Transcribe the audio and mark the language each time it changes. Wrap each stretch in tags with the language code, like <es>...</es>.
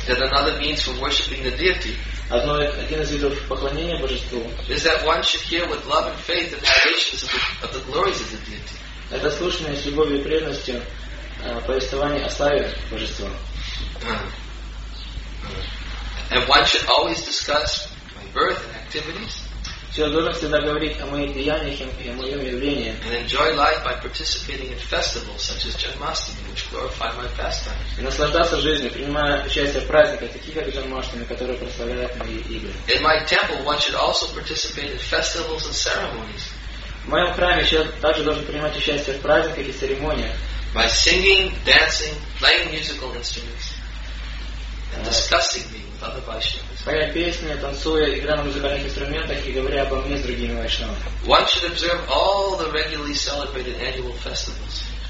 <en>that another means for worshiping the deity.</en> <ru>Один из видов поклонения божеству.</ru> <en>Is that one should hear with love and faith the narrations of the glories of the deity.</en> <ru>Это слушание с любовью и преданностью повествование о славе божества.</ru> <en>And one should always discuss my birth and activities.</en> <ru>Человек должен всегда говорить о моих деяниях и о моем явлении.</ru> <en>And enjoy life by participating in festivals such as Janmashtami, which glorify my pastimes.</en> <ru>И наслаждаться жизнью, принимая участие в праздниках, таких как Джанмаштами, которые прославляют мои игры.</ru> <en>In my temple, one should also participate in festivals and ceremonies.</en> <ru>В моем храме человек также должен принимать участие в праздниках и церемониях.</ru> <en>By singing, dancing, playing musical instruments, and discussing me with other Vaishnavas.</en> <ru>Поя песни, танцуя, играя на музыкальных инструментах и говоря обо мне с другими Вайшнавами.</ru> <en>One should observe all the regularly celebrated annual festivals.</en>